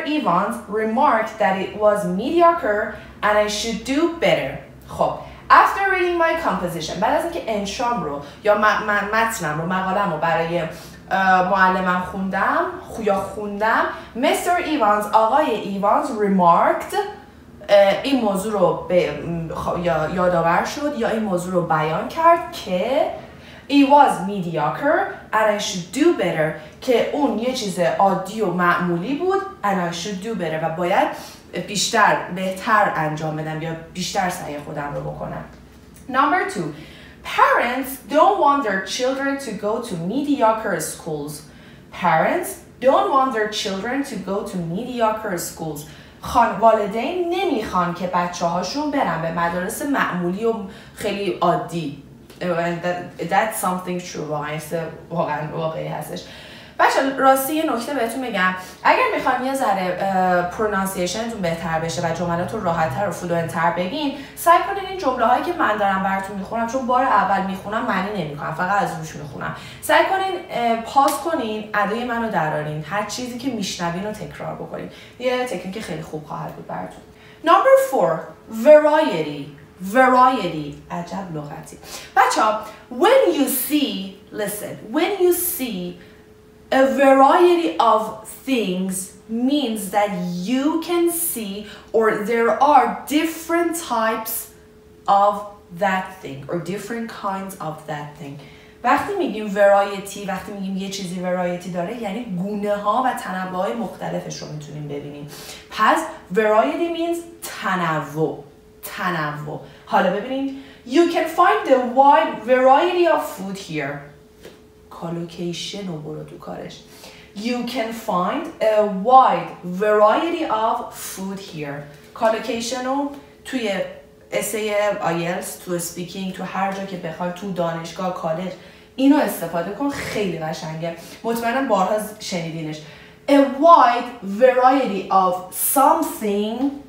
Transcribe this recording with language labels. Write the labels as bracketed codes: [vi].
[en] Evans remarked that it was mediocre and I should do better. [fa] خب [en] after reading my composition، [fa] بعد از اینکه انشام رو یا متنم رو مقالم رو برای معلمم خوندم یا خوندم، Mr. Evans آقای ایوانز [en] remarked [fa] این موضوع رو به یا یادآور شد یا این موضوع رو بیان کرد که [en] it was mediocre and I should do better، [fa] که اون یه چیز عادی و معمولی بود [en] and I should do better [fa] و باید بیشتر بهتر انجام بدم یا بیشتر سعی خودم رو بکنم. [en] Number two, parents don't want their children to go to mediocre schools. Parents don't want their children to go to mediocre schools. [fa] والدین نمیخوان که بچه هاشون برن به مدارس معمولی و خیلی عادی. [en] That's something true. [fa] واقعی هستش. بچه راستی یه نکته بهتون میگم. اگر میخوام یه ذره پرونانسیشنتون بهتر بشه و جملاتون راحتتر و فلوئنت‌تر بگین، سعی کنین این جمله هایی که من دارم براتون میخونم، چون بار اول میخونم معنی نمیکنم، فقط از روش میخونم، سعی کنین پاس کنین، ادای منو درارین، هر چیزی که میشنوین رو تکرار بکنین. یه تکنیک خیلی خوب خواهد بود براتون. [en] Number four, variety. [fa] عجب لغتی. [en] بچه when you see a variety of things means that you can see or there are different types of that thing or different kinds of that thing. [fa] وقتی میگیم variety، وقتی میگیم یه چیزی variety داره، یعنی گونه ها و تنوع های مختلفش رو میتونیم ببینیم. [en] پس variety means [fa] تنوع. حالا ببینید، [en] you can find a wide variety of food here. [fa] Collocation رو برو تو کارش. [en] You can find a wide variety of food here. [fa] Collocation رو توی essay IELTS، تو speaking، تو هر جا که بخوای، تو دانشگاه، کالج، اینو استفاده کن، خیلی قشنگه. مطمئنم بارها شنیدینش. [en] A wide variety of something.